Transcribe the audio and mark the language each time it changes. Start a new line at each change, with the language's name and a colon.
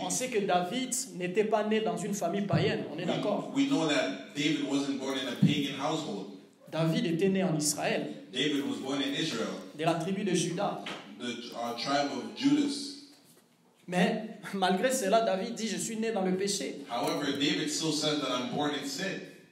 French: On sait que David n'était pas né dans une famille païenne. On est d'accord.
English: We know that David wasn't born in a pagan household.
French: David était né en Israël.
English: David was born in Israel.
French: De la tribu de Judas.
English: The tribe of Judas.
French: Mais malgré cela, David dit, je suis né dans le péché.
English: However, David still said that I'm born in sin.